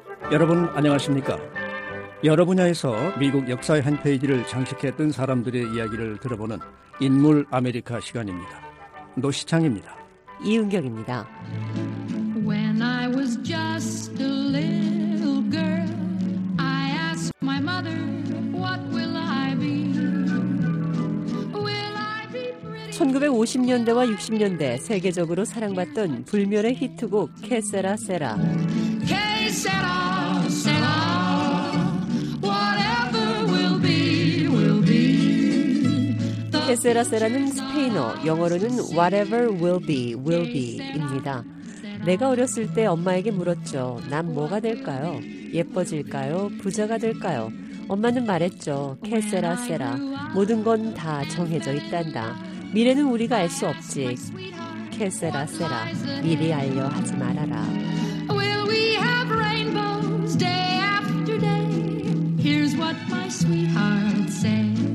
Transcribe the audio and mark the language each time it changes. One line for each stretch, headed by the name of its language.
Korean: 여러분 안녕하십니까? 여러 분야에서 미국 역사의 한 페이지를 장식했던 사람들의 이야기를 들어보는 인물 아메리카 시간입니다. 노시창입니다. 이은경입니다.
English: When I was just a little girl My mother, what will I be? Will I be pretty?
Korean: 1950년대와 60년대 세계적으로 사랑받던 불멸의 히트곡 Que será, será.
Spanish: Que será, será.
English: Whatever will be, will be.
Korean: Que será será는 스페인어, 영어로는
English: whatever will be, will be
Korean: 입니다. 내가 어렸을 때 엄마에게 물었죠. 난 뭐가 될까요? 예뻐질까요? 부자가 될까요? 엄마는 말했죠.
Spanish: Que será será.
Korean: 모든 건 다 정해져 있단다. 미래는 우리가 알 수 없지.
Spanish: Que será será.
Korean: 미리 알려 하지 말아라.
English: Will we have rainbows day after day? Here's what my sweetheart said.